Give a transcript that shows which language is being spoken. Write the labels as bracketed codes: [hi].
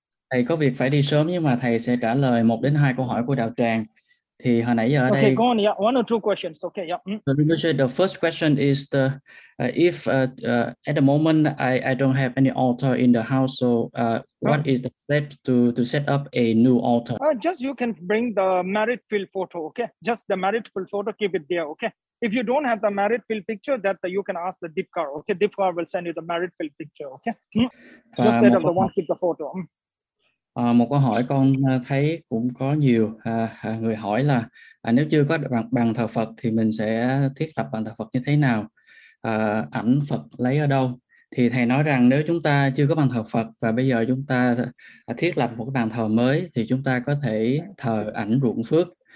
[vi] Thầy có việc phải đi sớm nhưng mà thầy sẽ trả lời 1 đến 2 câu hỏi của đạo tràng. Thì hồi nãy giờ ở đây. [en] Okay, go on. Yeah, one or two questions. Okay, yeah. The first question is the if at the moment I don't have any altar in the house, so what is the step to set up a new altar? Just you can bring the married field photo. Okay, just the married field photo. Keep it there. Okay. If you don't have the married field picture, that you can ask the Dipkar. Okay, Dipkar will send you the married field picture. Okay. Just set up the one. Keep the photo. [vi] Một câu hỏi con thấy cũng có nhiều người hỏi là nếu chưa có bàn thờ Phật thì mình sẽ thiết lập bàn thờ Phật như thế nào? Ảnh Phật lấy ở đâu? Thì thầy nói rằng nếu chúng ta chưa có bàn thờ Phật và bây giờ chúng ta thiết lập một bàn thờ mới thì chúng ta có thể thờ ảnh ruộng phước.